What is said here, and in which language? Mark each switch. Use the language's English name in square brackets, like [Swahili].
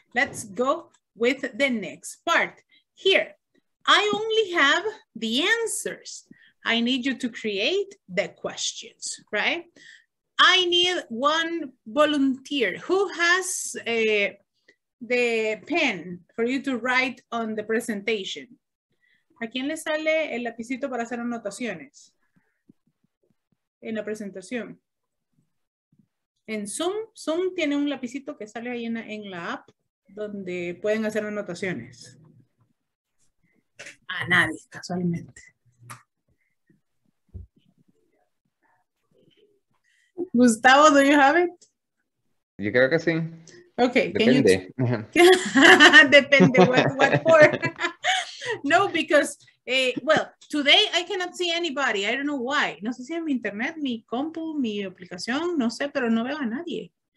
[English] Let's go with the next part. Here, I only have the answers. I need you to create the questions, right? I need one volunteer. Who has the pen for you to write on the presentation? [Spanish] ¿A quién le sale el lapicito para hacer anotaciones? En la presentación. En Zoom, Zoom tiene un lapicito que sale ahí en la app donde pueden hacer anotaciones. A nadie, casualmente. [English] Gustavo, do you have it? [Spanish] Yo creo que sí. [English] Okay, [Spanish] depende. [English] Can you [Spanish] depende [English] what for? No, because well, today I cannot see anybody. I don't know why. [Spanish] No sé si es mi internet, mi compu, mi aplicación, no sé, pero no veo a nadie.